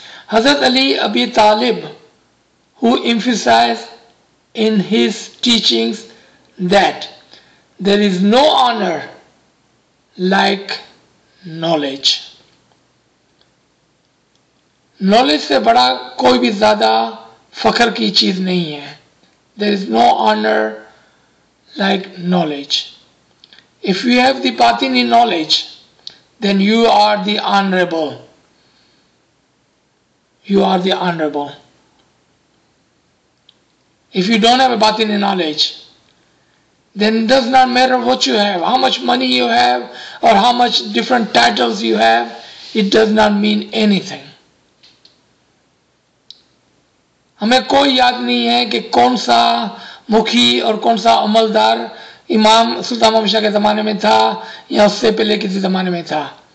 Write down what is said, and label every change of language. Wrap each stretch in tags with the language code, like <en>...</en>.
<en>حضرت Ali Abi Talib who emphasized in his teachings that there is no honor like knowledge.</en> <ur>Knowledge سے بڑا کوئی بھی زیادہ فخر کی چیز نہیں ہے.</ur> <en>There is no honor like knowledge. If you have the batini knowledge, then you are the honorable. You are the honorable. If you don't have a batini knowledge, then it does not matter what you have, how much money you have, or how much different titles you have, it does not mean anything.</en> <ur>ہمیں کوئی یاد نہیں ہے کہ کون سا مکھی اور کون سا عملدار امام سلطان محمد شاہ کے زمانے میں تھا یا اس سے پہلے کسی زمانے میں تھا.</ur>